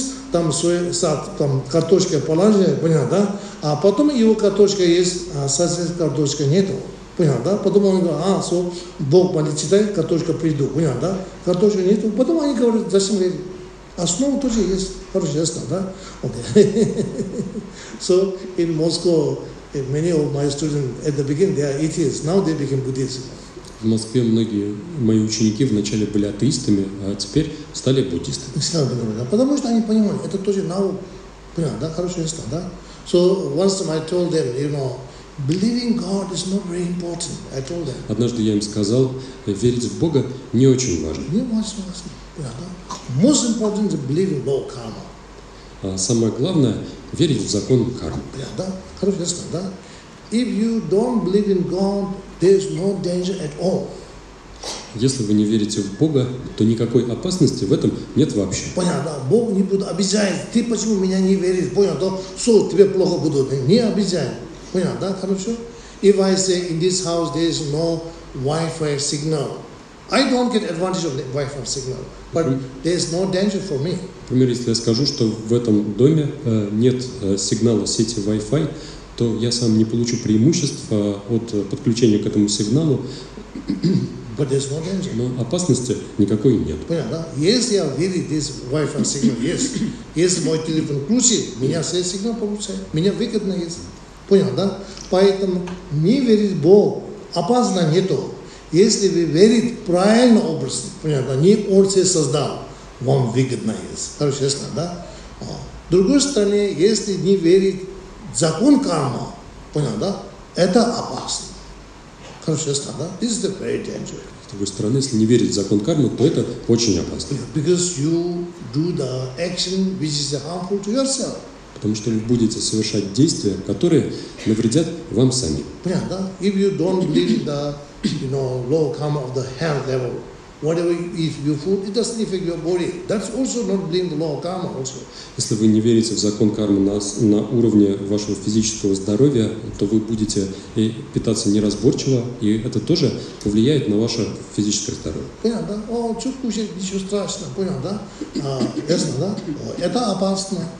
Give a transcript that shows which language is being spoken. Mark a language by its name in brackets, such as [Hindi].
[Russian] Там свой сад, там картошка положили, понял, да? А потом его картошка есть, а сосед картошка нету, понял, да? Потом он говорит, а, все, Бог молит, читай, картошка приду, понял, да? Картошка нету, потом они говорят, зачем верить? Основа тоже есть, хорошо, ясно, да? Окей. [English] So, in Moscow, many of my students at the beginning, they are atheists, now they became Buddhists. [Russian] В Москве многие мои ученики вначале были атеистами, а теперь стали буддистами. Потому что они понимали, это тоже наука. Понял, да? Хорошо, ясно, да? [English] So, once I told them, you know, believing God is not very important. I told them. [Russian] Однажды я им сказал, верить в Бога не очень важно. Не очень важно. Понял, да? [English] Most important is believing law karma. [Russian] А самое главное, верить в закон кармы. Понял, да? Хорошо, ясно, да? [English] If you don't believe in God, there's no danger at all. [Russian] Если вы не верите в Бога, то никакой опасности в этом нет вообще. Понял, да? Бог не будет обижать. Ты почему меня не веришь? Понял, да? Все, тебе плохо будет. Не обижай. Понял, да? Хорошо? [English] If I say in this house there is no Wi-Fi signal, I don't get advantage of the Wi-Fi signal, but there is no danger for me. [Russian] Например, если я скажу, что в этом доме нет сигнала сети Wi-Fi, то я сам не получу преимущества от подключения к этому сигналу. [English] But there's no danger. [Russian] Но опасности никакой нет. Понятно, да? Если я верю в [English] this Wi-Fi signal, yes. [Russian] Если мой телефон включит, меня все сигнал получает. Меня выгодно есть. Понятно, да? Поэтому не верить в Бог опасно нету. Если вы верите правильно образ, понятно, не он все создал, вам выгодно есть. Хорошо, ясно, да? А. Другой стороне, если не верить закон карма, понял, да? Это опасно. Хорошо, ясно, да? [English] This is very dangerous. [Russian] С другой стороны, если не верить в закон кармы, то это очень опасно. [English] Because you do the action which is harmful to yourself. [Russian] Потому что вы будете совершать действия, которые навредят вам самим. Понял, да? [English] If you don't believe in the, you know, low karma of the hell level, whatever you eat, your food, it doesn't affect your body. That's also not believing the law of karma also. [Russian] Если вы не верите в закон кармы на уровне вашего физического здоровья, то вы будете питаться неразборчиво, и это тоже повлияет на ваше физическое здоровье. Понял, да? О, что кушать, ничего страшного. Понял, да? Ясно, да? Это опасно.